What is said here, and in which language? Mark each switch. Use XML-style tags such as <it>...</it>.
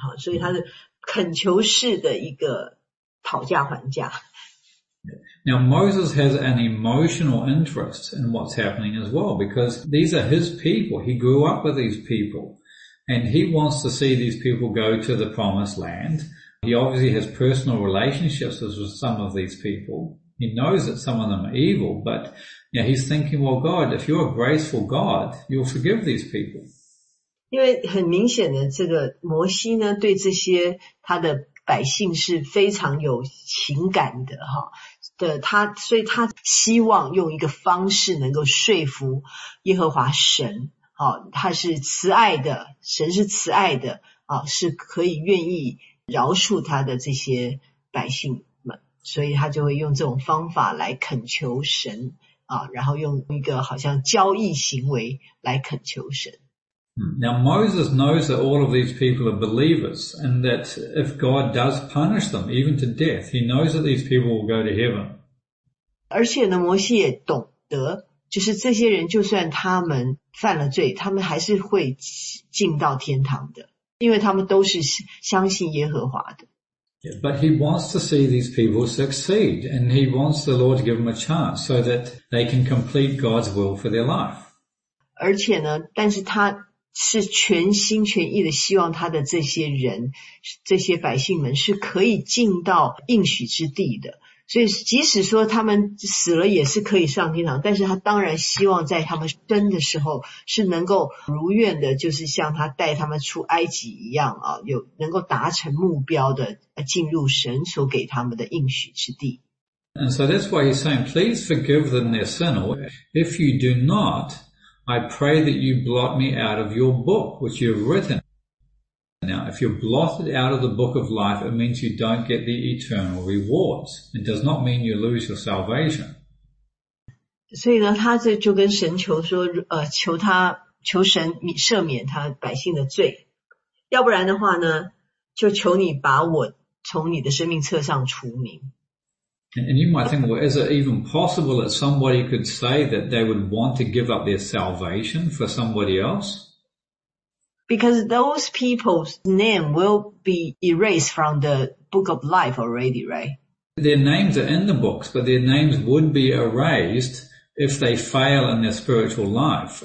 <zh>所以它是恳求式的一个讨价还价。</zh> <en>Now Moses has an emotional interest in what's happening as well because these are his people. He grew up with these people And he wants to see these people go to the promised land. He obviously has personal relationships with some of these people. He knows that some of them are evil, but you know, he's thinking, well, God, if you're a graceful God, you'll forgive these people.</en> <zh>因为很明显的这个摩西呢对这些他的百姓是非常有情感的哈的他所以他希望用一个方式能够说服耶和华神哈他是慈爱的神是慈爱的啊是可以愿意饶恕他的这些百姓们所以他就会用这种方法来恳求神啊然后用一个好像交易行为来恳求神。</zh> <en>Now Moses knows that all of these people are believers and that if God does punish them, even to death, he knows that these people will go to heaven.</en> <zh>而且呢摩西也懂得就是这些人就算他们犯了罪他们还是会进到天堂的因为他们都是相信耶和华的。</zh> <en>Yeah, but he wants to see these people succeed and he wants the Lord to give them a chance so that they can complete God's will for their life.</en> <zh>而且呢但是他是全心全意的希望他的这些人这些百姓们是可以进到应许之地的所以即使说他们死了也是可以上天堂但是他当然希望在他们生的时候是能够如愿的就是像他带他们出埃及一样啊，有能够达成目标的进入神所给他们的应许之地</zh> <en>And so that's why he's saying please forgive them their sin or if you do notI pray that you blot me out of your book, which you have written. Now, if you're blotted out of the book of life, it means you don't get the eternal rewards. It does not mean you lose your salvation.</en> <zh>所以呢，他这就跟神求说，求他求神赦免他百姓的罪，要不然的话呢，就求你把我从你的生命册上除名。</zh> <en>And you might think, well, is it even possible that somebody could say that they would want to give up their salvation for somebody else? Because those people's name will be erased from the book of life already, right? Their names are in the books, but their names would be erased if they fail in their spiritual life.</en>